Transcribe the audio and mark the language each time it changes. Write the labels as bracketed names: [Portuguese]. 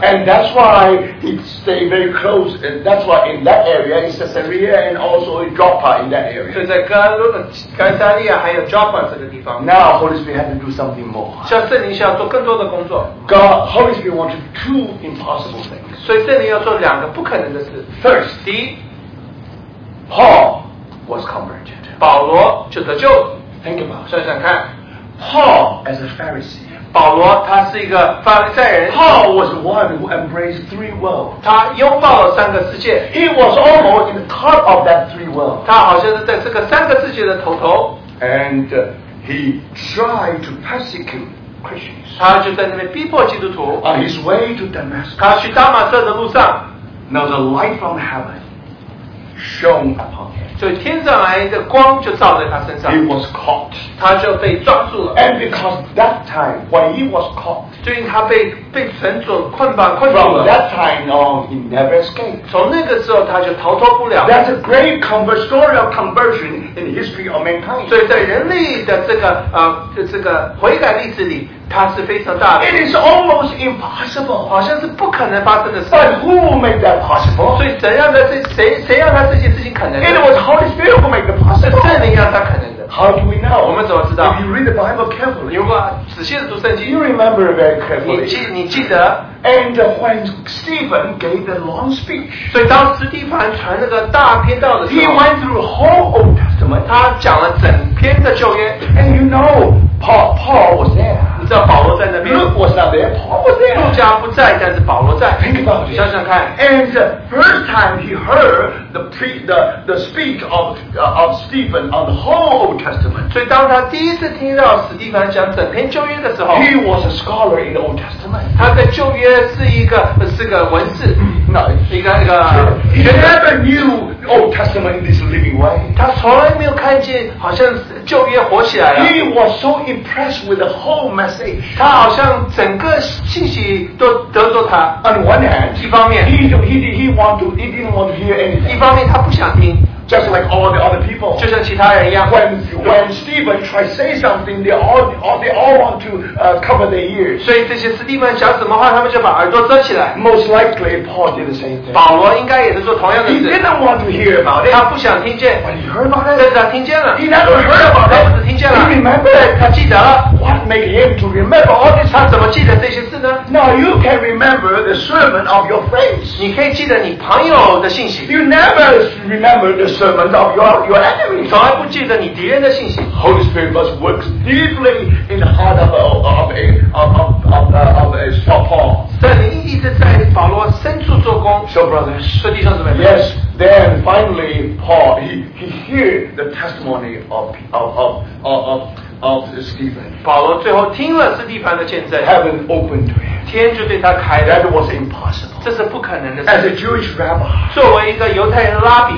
[English] and that's why he stayed very close, and that's why in that area, in Caesarea and also in Joppa, in that area. [Chinese] 所以在该撒利亚还有Joppa这个地方, [English] now Holy Spirit had to do something more. [Chinese] 像圣灵需要做更多的工作, [English] Holy Spirit wanted two impossible things. [Chinese] 所以圣灵要做两个不可能的事, [English] first, [Chinese] 第一, [English] Paul was converted. [Chinese] 保罗就得救. [English] Think about it. [Chinese] 想想看, [English] Paul as a Pharisee. [Chinese] 保罗他是一个法利赛人. [English] Paul was the one who embraced three worlds. [Chinese] 他拥抱了三个世界. [English] He was almost in the top of that three worlds. [Chinese] 他好像是在这个三个世界的头头. [English] And he tried to persecute Christians. [Chinese] 他就在那边逼迫基督徒. [English] On his way to Damascus. [Chinese] 他去大马色的路上. [English] Now the light from heaven shone upon him. [Chinese] 所以天上来的光就照在他身上. [English] He was caught. [Chinese] 他就被抓住了. [English] And because that time, when he was caught, [Chinese] 就因他被绳索捆绑困住了. [English] From that time on, he never escaped. [Chinese] 从那个时候他就逃脱不了. [English] That's a great story of conversion in the history of mankind. [Chinese] 所以在人类的这个悔改历史里, 它是非常大的, [English] it is almost impossible. [Chinese] 好像是不可能发生的事。 [English] But who made that possible? [Chinese] 所以谁让他这些事情可能的? [English] It was Holy Spirit who made it possible. [Chinese] 圣灵让他可能的。 [English] How do we know? [Chinese] 我们怎么知道? [English] If you read the Bible carefully, [Chinese] 如果仔细地读圣经, [English] you remember very carefully. [Chinese] 你记得? [English] And when Stephen gave the long speech, [Chinese] 所以当斯蒂凡传那个大篇道的时候, [English] he went through the whole Old Testament. [Chinese] 他讲了整篇的旧约。 [English] And you know, Paul was there. Luke was not there, Paul was there. [Chinese] 路加不在, [English] think about it. [Chinese] 想想看, [English] and the first time he heard the speech of Stephen on the whole Old Testament, [Chinese] 所以当他第一次听到史蒂凡讲整篇旧约的时候, [English] he was a scholar in the Old Testament. [Chinese] 他在旧约是一个文字, [English] he never knew Old Testament in this living way. [Chinese] 他从来没有看见, [English] he was so impressed with the whole message. [Chinese] 他好像整个信息都得着他. [English] On one hand, [Chinese] 一方面, [English] he didn't want to hear anything. [Chinese] 一方面他不想听, [English] just like all the other people. [Chinese] 就像其他人一样, [English] when Stephen tries to say something, they all want to cover their ears. [Chinese] 所以这些斯蒂芬讲什么话，他们就把耳朵遮起来。 [English] Most likely, Paul did the same thing. [Chinese] 保罗应该也是做同样的事。 [English] He didn't want to hear about it. [Chinese] 他不想听见。 [English] But he heard about it. [Chinese] 但是他听见了。 [English] He never heard about it. [Chinese] 他只听见了。 [English] He remembered. [Chinese] 他记得了。 [English] What made him to remember all this? [Chinese] 他怎么记得这些事呢？ [English] Now you can remember the sermon of your friends. [Chinese] 你可以记得你朋友的信息。 [English] You never remember the sermon of your enemies. [Chinese] 从来不记得你敌人的信息。 [English] Holy Spirit must work deeply in the heart of Paul. [Chinese] 圣灵一直在保罗深处做工。 [English] So brothers, [Chinese] 说弟兄姊妹, [English] yes, then finally Paul, he heard the testimony of Stephen. [Chinese] 保罗最后听了斯蒂凡的见证。 [English] Heaven opened to him. [Chinese] 天就对他开了。 [English] That was impossible. [Chinese] 这是不可能的事。 [English] As a Jewish rabbi, [Chinese] 作为一个犹太人的拉比,